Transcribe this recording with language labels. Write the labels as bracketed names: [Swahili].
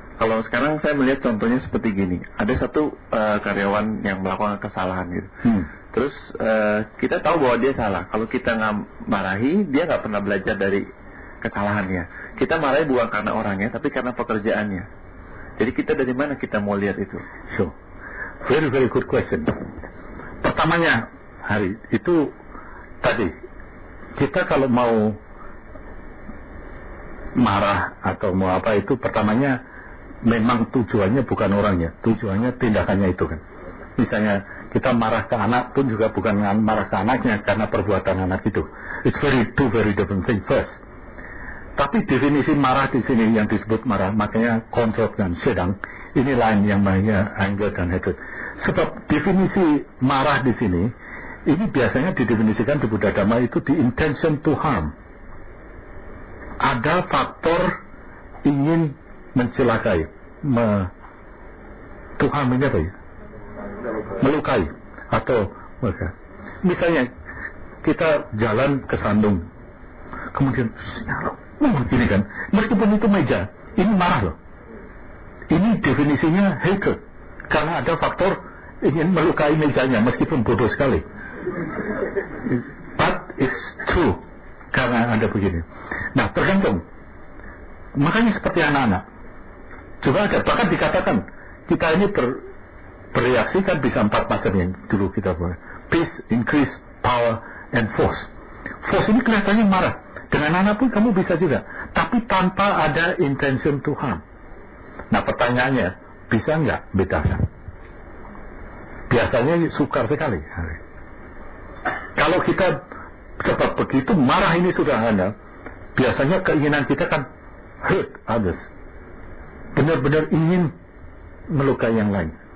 [Indonesian] Kalau sekarang saya melihat contohnya seperti gini, ada satu karyawan yang melakukan kesalahan gitu. Terus kita tahu bahwa dia salah, kalau kita gak marahi, dia gak pernah belajar dari kesalahannya. Kita marahi bukan karena orangnya, tapi karena pekerjaannya. Jadi kita dari mana kita mau lihat itu? [English] So, very very good question. [Indonesian] Pertamanya, hari itu tadi, kita kalau mau marah atau mau apa itu, pertamanya memang tujuannya bukan orangnya, tujuannya tindakannya itu kan. Misalnya kita marah ke anak pun juga bukan marah ke anaknya karena perbuatan anak itu. [English] It's very two very different things first. [Indonesian] Tapi definisi marah di sini yang disebut marah, makanya confront dan sedang, ini lain yang namanya anger dan hatred. Sebab definisi marah di sini, ini biasanya didefinisikan di Buddha Dhamma itu [English] the intention to harm. [Indonesian] Ada faktor ingin mencelakai, [English] to harm [Indonesian] ini apa ya? Melukai atau melukai. Misalnya kita jalan ke sandung, kemudian gini kan, meskipun itu meja, ini marah loh. Ini definisinya hatred, karena ada faktor ingin melukai mejanya, meskipun bodoh sekali. [English] But it's true, [Indonesian] karena ada begini. Nah tergantung, makanya seperti anak-anak juga ada, bahkan dikatakan kita ini bereaksi kan bisa 4 macam yang dulu kita buat. [English] Peace, increase, power, and force. [Indonesian] Force ini kelihatannya marah, dengan anak pun kamu bisa juga, tapi tanpa ada [English] intention to harm. [Indonesian] Nah pertanyaannya, bisa enggak bedakan? Biasanya sukar sekali. Kalau kita sebab begitu marah ini sudah ada, biasanya keinginan kita kan [English] hurt others, [Indonesian] benar-benar ingin melukai yang lain.